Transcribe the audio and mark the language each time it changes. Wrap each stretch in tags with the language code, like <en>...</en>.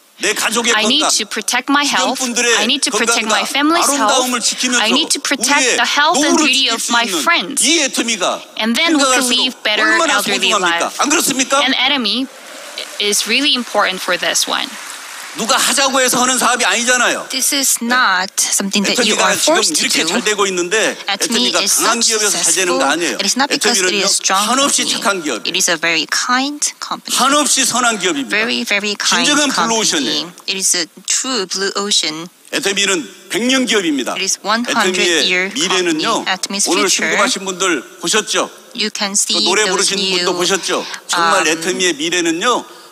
<en>I need to protect my health. I need to protect my family's health. I need to protect the health and beauty of my friends. And then we can live better elderly lives. And Atomy is really important for this one.</en> <ko>누가 하자고 해서 하는 사업이 아니잖아요.</ko> <en>This is not something that you are forced to do.</en> <ko>지금 이렇게 잘 되고 있는데 애터미가 강한 기업에서 잘 되는 거 아니에요.</ko> <en>It is not because it is strong.</en> <ko>한없이 착한 기업.</ko> <en>It is a very kind company.</en> <ko>한없이 선한 기업입니다.</ko> <en>Very very kind company.</en> <ko>블루 오션이에요.</ko> <en>It is a true blue ocean.</en> <ko>애터미는 100년 기업입니다.</ko> <en>It is 100 year company.</en> <ko>미래는요. 오늘 신고하신 분들 보셨죠?</ko> <en>You can see</en> <ko>노래 부르신 분도 보셨죠? 정말 애터미의 미래는요.</ko>